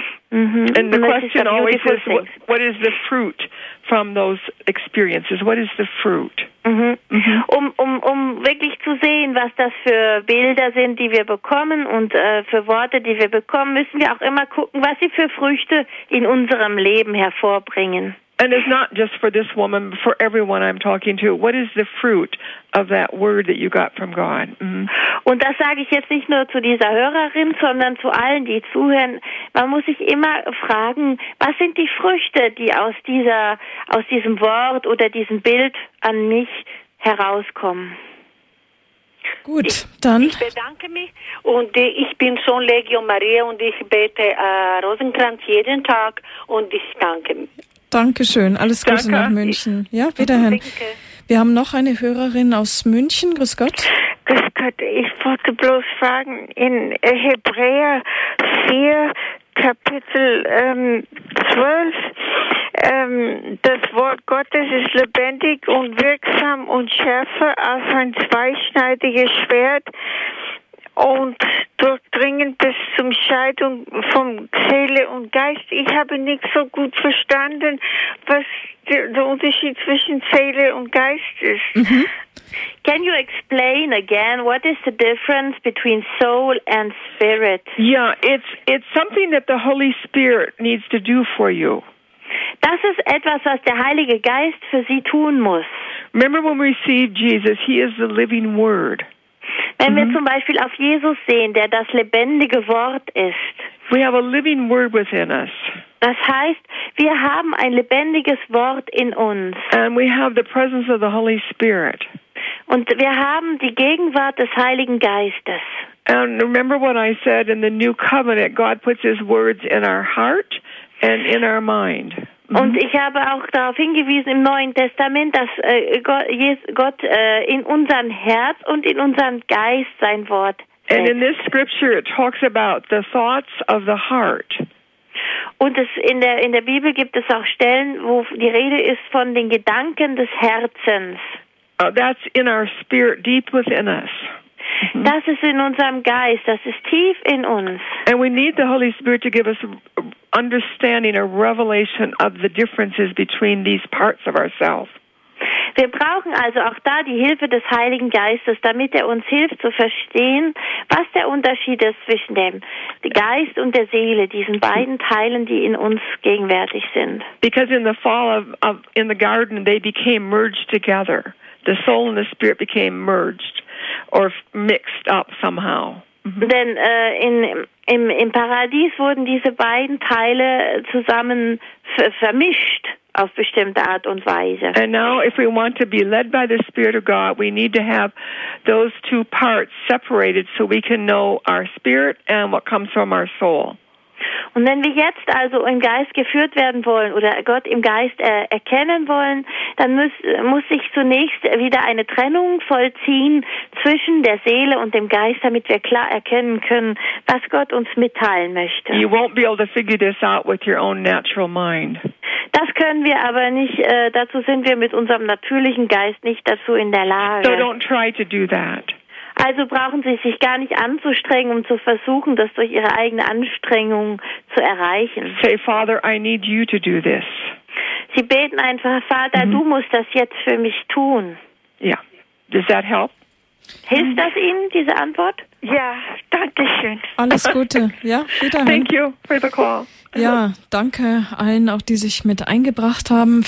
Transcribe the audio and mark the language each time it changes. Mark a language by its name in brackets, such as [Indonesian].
[English] And the question always is, what is the fruit from those experiences? What is the fruit? [German] Um wirklich zu sehen, was das für Bilder sind, die wir bekommen und für Worte, die wir bekommen, müssen wir auch immer gucken, was sie für Früchte in unserem Leben hervorbringen. [English] And it's not just for this woman, for everyone I'm talking to. What is the fruit of that word that you got from God? [German] Und das sage ich jetzt nicht nur zu dieser Hörerin, sondern zu allen, die zuhören. Man muss sich immer fragen, was sind die Früchte, die aus diesem Wort oder diesem Bild an mich herauskommen? Gut, dann. Ich bedanke mich und ich bin schon Legio Maria und ich bete Rosenkranz jeden Tag und ich danke mich. Dankeschön. Alles Gute Danke. Nach München. Ja, wiederhin. Wir haben noch eine Hörerin aus München. Grüß Gott. Grüß Gott. Ich wollte bloß fragen, in Hebräer 4, Kapitel 12, das Wort Gottes ist lebendig und wirksam und schärfer als ein zweischneidiges Schwert und durchdringend bis zum Scheidung von Seele und Geist. Ich habe nicht so gut verstanden, was der Unterschied zwischen Seele und Geist ist. [English] Can you explain again what is the difference between soul and spirit? Yeah, it's something that the Holy Spirit needs to do for you. [German] Das ist etwas, was der Heilige Geist für Sie tun muss. [English] Remember when we received Jesus, he is the living word. [German] Wenn wir zum Beispiel auf Jesus sehen, der das lebendige Wort ist. [English] We have a living word within us. [German] Das heißt, wir haben ein lebendiges Wort in uns. [English] And we have the presence of the Holy Spirit. [German] Und wir haben die Gegenwart des Heiligen Geistes. [English] And remember what I said in the New Covenant, God puts his words in our heart and in our mind. [German] Und ich habe auch darauf hingewiesen im Neuen Testament, dass Gott in unserem Herz und in unserem Geist sein Wort setzt. [English] And in this scripture it talks about the thoughts of the heart. [German] Und es in der Bibel gibt es auch Stellen, wo die Rede ist von den Gedanken des Herzens. [English] That's in our spirit, deep within us. [German] Das ist in unserem Geist, das ist tief in uns. [English] And we need the Holy Spirit to give us understanding or revelation of the differences between these parts of ourselves. [German] Wir brauchen also auch da die Hilfe des Heiligen Geistes, damit er uns hilft zu verstehen, was der Unterschied ist zwischen dem Geist und der Seele, diesen beiden Teilen, die in uns gegenwärtig sind. [English] Because in the fall of in the garden they became merged together. The soul and the spirit became merged or mixed up somehow. Mm-hmm. [German] Denn im Paradies wurden diese beiden Teile zusammen vermischt auf bestimmte Art und Weise. [English] And now if we want to be led by the Spirit of God, we need to have those two parts separated so we can know our spirit and what comes from our soul. [German] Und wenn wir jetzt also im Geist geführt werden wollen oder Gott im Geist erkennen wollen, dann muss sich zunächst wieder eine Trennung vollziehen zwischen der Seele und dem Geist, damit wir klar erkennen können, was Gott uns mitteilen möchte. [English] You won't be able to figure this out with your own natural mind. [German] Das können wir aber nicht, dazu sind wir mit unserem natürlichen Geist nicht dazu in der Lage. [English] So don't try to do that. [German] Also brauchen Sie sich gar nicht anzustrengen, um zu versuchen, das durch Ihre eigene Anstrengung zu erreichen. [English] Say, Father, I need you to do this. [German] Sie beten einfach, Vater, mm-hmm. du musst das jetzt für mich tun. [English] Ja, yeah. Does that help? [German] Hilft das Ihnen, diese Antwort? Ja, danke schön. Alles Gute, ja, wiederhin. [English] Thank you for the call. [German] Ja, danke allen auch, die sich mit eingebracht haben.